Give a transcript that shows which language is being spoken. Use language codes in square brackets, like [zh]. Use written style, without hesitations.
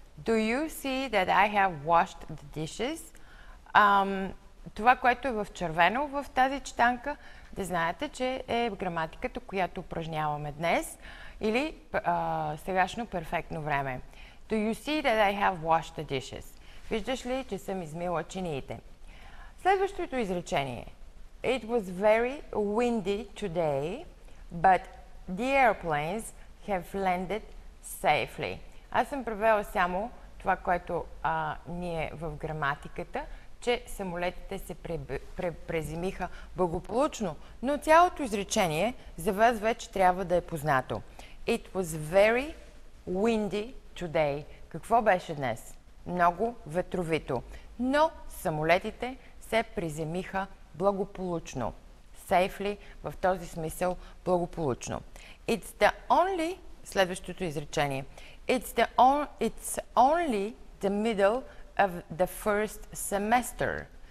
[en] Do you see that I have washed the dishes? [bg] Това, което е в червено в тази читанка, да знаете, че е граматиката, която упражняваме днес, или сегашно перфектно време. [en] Do you see that I have washed the dishes? [bg] Виждаш ли, че съм измила чиниите? Следващото изречение. [en] It was very windy today, but the airplanes have landed safely. [bg] Аз съм превела само това, което ние в граматиката, че самолетите се преземиха благополучно. Но цялото изречение за вас вече трябва да е познато. [en] It was very windy today. [bg] Какво беше днес? Много ветровито. Но самолетите се приземиха благополучно. Safely, в този смисъл благополучно. [en] It's the only... [bg] Следващото изречение. [en] It's only the middle of the first semester.